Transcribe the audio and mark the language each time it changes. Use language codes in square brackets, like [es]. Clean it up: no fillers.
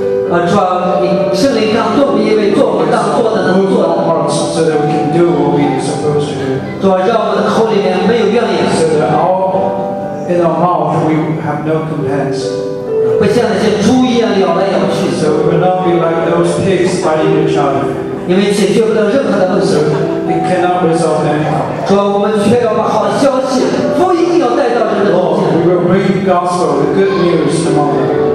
[zh] 主啊，你圣灵感动，因为做我们当做的能做的。 [en] Move our hearts so that we can do what we are supposed to do. [zh] 主啊，让我们的口里面没有怨言。 [en] So that in our mouth we have no complaints. [zh] 不像那些猪一样咬来咬去。 [en] So we will not be like those pigs biting each other. [zh] 因为解决不了任何的问题。 [en] We cannot resolve anything. [zh] 我们却要把好消息、福音要带到这个中间。 [en] We will bring the gospel, the good news among them.